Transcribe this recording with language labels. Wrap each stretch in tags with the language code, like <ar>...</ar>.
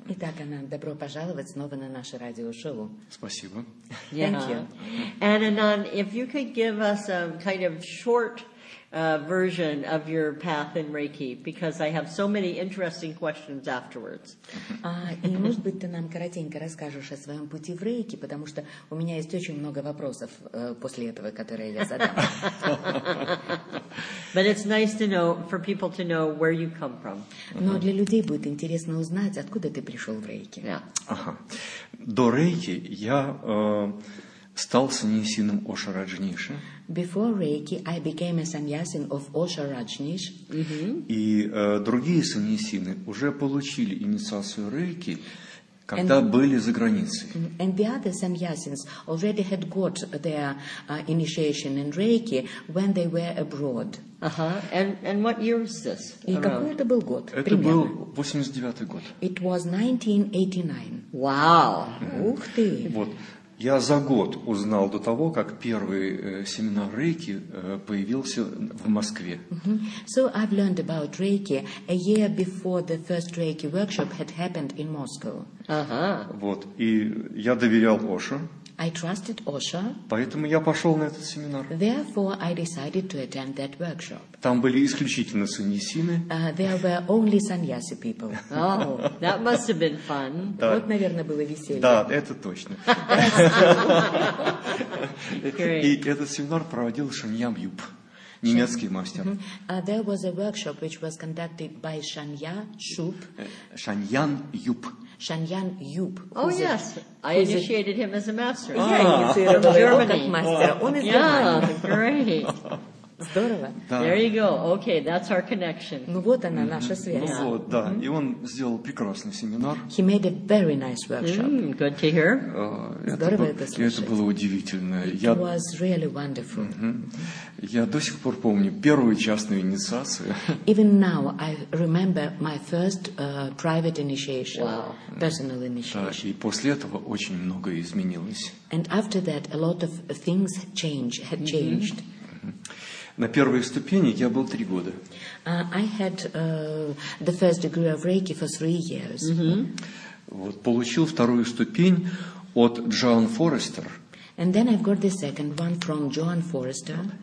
<ru>Итак, Анан, добро пожаловать снова на наше радиошоу. Спасибо.</ru> <en>Thank you. And Anan, if you could give us a kind of short version of your path in Reiki, because I have so many interesting questions afterwards.</en> <ru>И может быть, ты нам коротенько расскажешь о своем пути в Рейки, потому что у меня есть очень много вопросов после этого, которые я задам.</ru> <en>But it's nice to know, for people to know where you come from.</en> <ru>Но для людей будет интересно узнать, откуда ты пришел в Рейки. До Рейки я стал саньясином Оша Раджниши.</ru> <en>Before Reiki, I became a sannyasin of Osha Rajneesh.</en> <ru>И другие саньясины уже получили инициацию Рейки, когда были за границей.</ru> <en>And the other sannyasins already had got their initiation in Reiki when they were abroad. Uh-huh. And what year is this?</en> <ru>И какой это был год? Это был 89-й год.</ru> <en>It was 1989. Wow.</en> <ru>Ух ты. Вот. Я за год узнал до того, как первый семинар Рейки появился в Москве. Mm-hmm.</ru> <en>So I've learned about Reiki a year before the first Reiki workshop had happened in Moscow. Uh-huh.</en> <ru>Вот, и я доверял Оше.</ru> <en>I trusted Osha.</en> <ru>Поэтому я пошел на этот семинар.</ru> <en>Therefore, I decided to attend that workshop.</en> <ru>Там были исключительно саньясины.</ru> <en>There were only sannyasi people. Oh, that must have been fun.</en> <ru>Да. Вот, наверное, было веселье. Да, это точно. И этот семинар проводил Шаньям Юб, немецкий мастер.</ru> <en>There was a workshop which was conducted by Шанья Шуб.</en> <ru>Шаньян Юб.</ru> <en>Shanyan Yup. Oh, yes. I initiated him as a master. Yeah, he's a Germanic master. Yeah, great.</en> <ru>Здорово.</ru> <en>There you go. Okay, that's our connection.</en> <ru>Ну вот она, наша связь. Ну вот, да. И он сделал прекрасный семинар.</ru> <en>He made a very nice workshop. Good to hear.</en> <ru>Здорово это слышать. Это было удивительно.</ru> <en>It was really wonderful.</en> <ru>Я до сих пор помню первую частную инициацию.</ru> <en>Even now I remember my first private initiation. Wow. Personal initiation.</en> <ru>Да, и после этого очень многое изменилось.</ru> <en>And after that a lot of things had changed.</en> <ru>На первой ступени я был 3 года.</ru> <en>I had the first degree of Reiki for 3 years.</en> <ru>Вот получил вторую ступень от Джоан Форестер.</ru> <en>And then I've got the second one from Joan Forrester.</en>